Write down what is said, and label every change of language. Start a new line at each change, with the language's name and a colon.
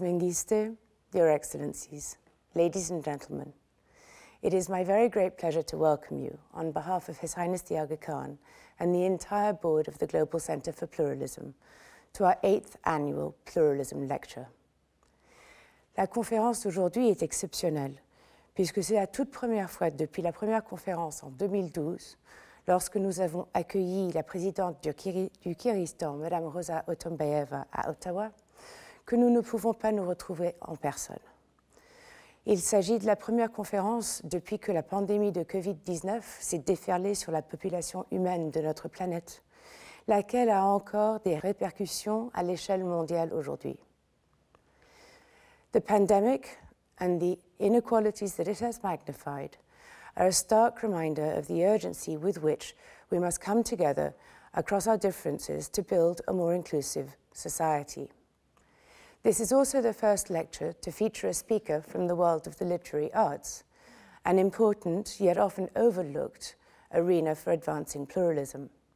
English: Mengiste, Your Excellencies, ladies and gentlemen, it is my very great pleasure to welcome you on behalf of His Highness the Aga Khan and the entire board of the Global Center for Pluralism to our 8th annual Pluralism Lecture.
French: La conférence d'aujourd'hui est exceptionnelle, puisque c'est la toute première fois depuis la première conférence en 2012. Lorsque nous avons accueilli la présidente du Kyrgyzstan, Madame Rosa Otombayeva, à Ottawa, que nous ne pouvons pas nous retrouver en personne. Il s'agit de la première conférence depuis que la pandémie de COVID-19 s'est déferlée sur la population humaine de notre planète, laquelle a encore des répercussions à l'échelle mondiale aujourd'hui.
English: The pandemic and the inequalities that it has magnified are a stark reminder of the urgency with which we must come together across our differences to build a more inclusive society. This is also the first lecture to feature a speaker from the world of the literary arts, an important yet often overlooked arena for advancing pluralism.